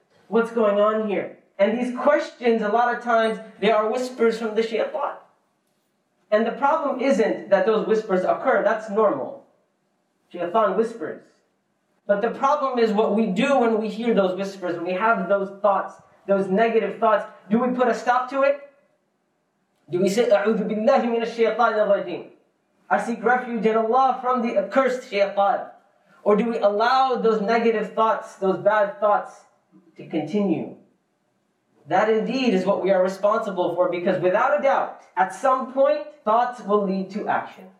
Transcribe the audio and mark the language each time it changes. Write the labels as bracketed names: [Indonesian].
[English] What's going on here? And these questions, a lot of times, they are whispers from the shaitan. And the problem isn't that those whispers occur. That's normal. Shaitan whispers. But the problem is what we do when we hear those whispers, when we have those thoughts, those negative thoughts. Do we put a stop to it? Do we say, [Arabic] أَعُوذُ بِاللَّهِ مِنَ الشَّيْطَانِ الرَّجِيمِ. [English] I seek refuge in Allah from the accursed shaitan. Or do we allow those negative thoughts, those bad thoughts, to continue? That indeed is what we are responsible for, because without a doubt, at some point, thoughts will lead to action.